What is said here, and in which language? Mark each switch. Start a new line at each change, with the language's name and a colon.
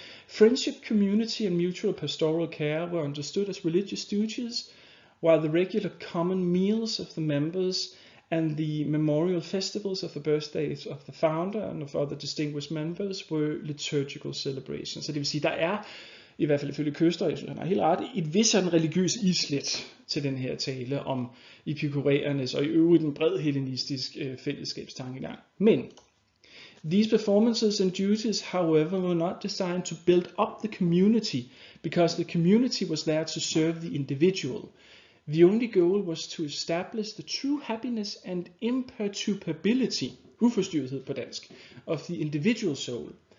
English: Friendship, community and mutual pastoral care were understood as religious duties, while the regular common meals of the members and the memorial festivals of the birthdays of the founder and of other distinguished members were liturgical celebrations.
Danish: Så det vil sige, der er i hvert fald ifølge Køster, jeg synes, han har helt ret, et vis sådan religiøs islet til den her tale om epikureernes og i øvrigt en bred hellenistisk fællesskabstankegang. Men,
English: these performances and duties, however, were not designed to build up the community, because the community was there to serve the individual. The only goal was to establish the true happiness and imperturbability,
Danish: uforstyrrethed på dansk,
English: of the individual soul.